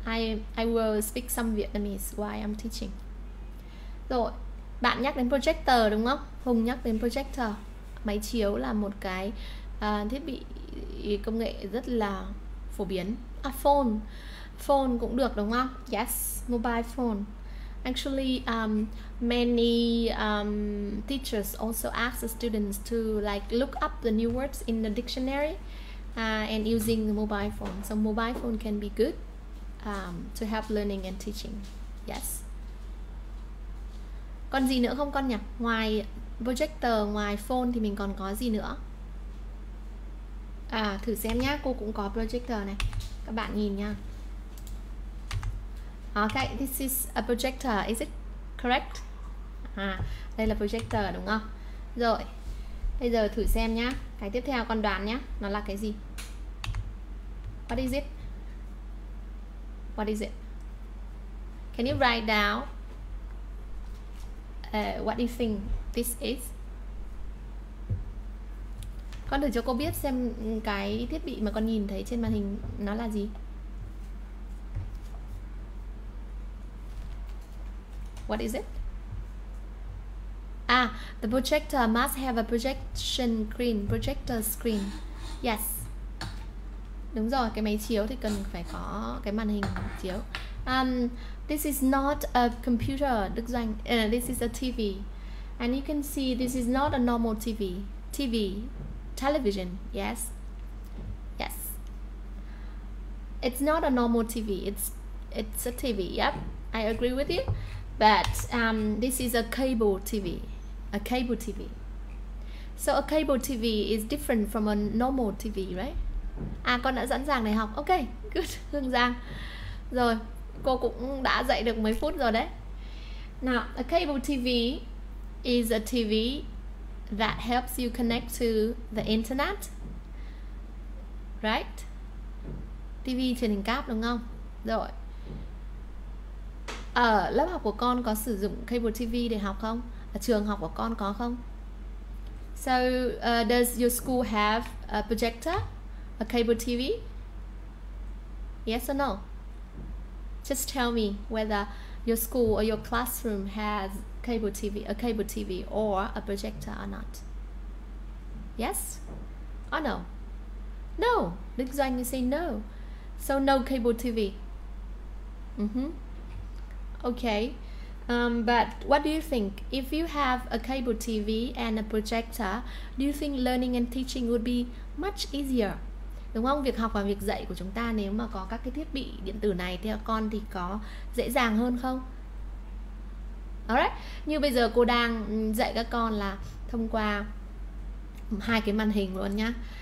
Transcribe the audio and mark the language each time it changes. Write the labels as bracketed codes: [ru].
[en] I will speak some Vietnamese while I'm teaching. [vi] Rồi, bạn nhắc đến projector đúng không? Hùng nhắc đến projector. Máy chiếu là một cái thiết bị công nghệ rất là phổ biến. Phone. Phone cũng được đúng không? [en] Yes, mobile phone. Actually, many teachers also ask the students to like look up the new words in the dictionary and using the mobile phone. So mobile phone can be good to help learning and teaching. Yes. [vi] Còn gì nữa không con nhỉ? Ngoài projector, ngoài phone thì mình còn có gì nữa? Thử xem nhá, cô cũng có projector này. Các bạn nhìn nha. [en] Okay, this is a projector, is it correct? [vi] Đây là projector đúng không? Rồi, bây giờ thử xem nhá. Cái tiếp theo con đoán nhá, nó là cái gì? [en] What is it? What is it? Can you write down what do you think this is? [vi] Con thử cho cô biết xem cái thiết bị mà con nhìn thấy trên màn hình nó là gì? [en] What is it? The projector must have a projection screen, projector screen. [vi] Yes. Đúng rồi, cái máy chiếu thì cần phải có cái màn hình chiếu. [en] This is not a computer, this is a TV. And you can see this is not a normal TV. TV, television, yes? Yes. It's not a normal TV, it's a TV, yep. I agree with you. But this is a cable TV, a cable TV. So a cable TV is different from a normal TV, right? [vi] À, con đã sẵn sàng để học. [en] Ok, good, [vi] Hương Giang. Rồi, cô cũng đã dạy được mấy phút rồi đấy. [en] Now, a cable TV is a TV that helps you connect to the internet. Right? [vi] TV truyền hình cáp đúng không? Rồi. Ở lớp học của con có sử dụng cable TV để học không? Ở trường học của con có không? [en] So, does your school have a projector? A cable TV? Yes or no? Just tell me whether your school or your classroom has cable TV, a cable TV or a projector or not. Yes or no? No. Đức Doanh, you say no. So no cable TV. Mm-hmm. Okay. But what do you think? If you have a cable TV and a projector, do you think learning and teaching would be much easier? [vi] Đúng không? Việc học và việc dạy của chúng ta nếu mà có các cái thiết bị điện tử này theo con thì có dễ dàng hơn không? Alright. Như bây giờ cô đang dạy các con là thông qua hai cái màn hình luôn nhá.